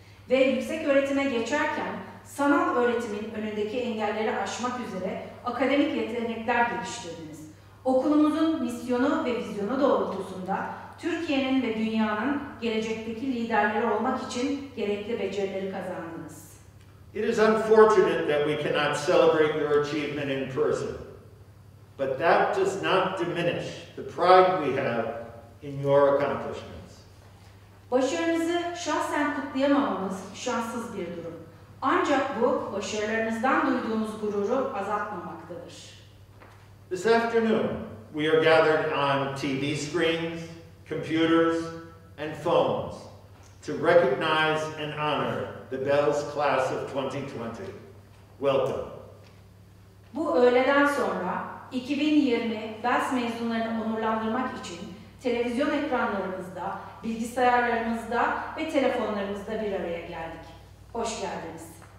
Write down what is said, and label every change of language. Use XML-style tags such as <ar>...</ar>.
<tr>Ve yüksek öğretime geçerken sanal öğretimin önündeki engelleri aşmak üzere akademik yetenekler geliştirdiniz. Okulumuzun misyonu ve vizyonu doğrultusunda Türkiye'nin ve dünyanın gelecekteki liderleri olmak için gerekli becerileri kazandınız.</tr> <en>It is unfortunate that we cannot celebrate your achievement in person. But that does not diminish the pride we have in your accomplishments.</en> <tr>Başarınızı şahsen kutlayamamamız şanssız bir durum. Ancak bu başarılarınızdan duyduğumuz gururu azaltmamaktadır.</tr> <en>This afternoon, we are gathered on TV screens, computers, and phones to recognize and honor the BELS class of 2020. Welcome.</en> <tr>Bu öğleden sonra 2020 BELS mezunlarını onurlandırmak için televizyon ekranlarımızda, bilgisayarlarımızda ve telefonlarımızda bir araya geldik.</tr> <en>Hoş geldiniz.</en>